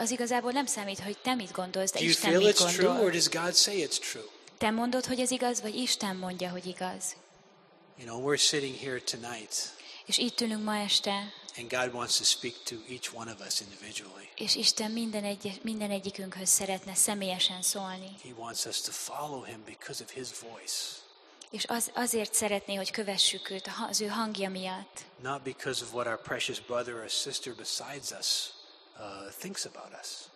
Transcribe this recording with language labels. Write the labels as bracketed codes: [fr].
[hu] Az igazából nem számít, hogy te mit gondolsz, de Isten mit gondol. [en] Do you feel it's true or does God say it's true? [hu] Te mondod, hogy ez igaz, vagy Isten mondja, hogy igaz? [en] You know, we're sitting here tonight. [hu] És itt ülünk ma este. [en] And God wants to speak to each one of us individually. [hu] És Isten minden egyikünkhöz szeretne személyesen szólni. [en] He wants us to follow him because of his voice. [hu] És azért szeretné, hogy kövessük őt az ő hangja miatt. [en] Not because of what our precious brother or sister besides us thinks about us.